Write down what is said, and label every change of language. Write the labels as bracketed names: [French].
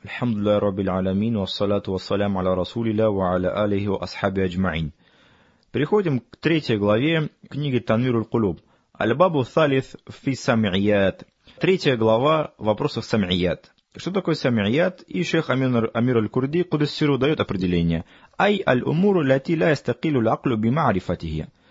[Arabic] الحمد لله رب العالمين والصلاة والسلام على رسول الله وعلى آله وأصحابه أجمعين. [Russian] Переходим к третьей главе книги تنوير القلوب. [Arabic] الباب الثالث في السمعيات. [Russian] Третья глава вопросов السمعيات. Что такое السمعيات? И шейх Амир аль-Курди Кудессиру дает определение. [Arabic] أي الأمور التي لا يستقيل العقل بمعرفتها.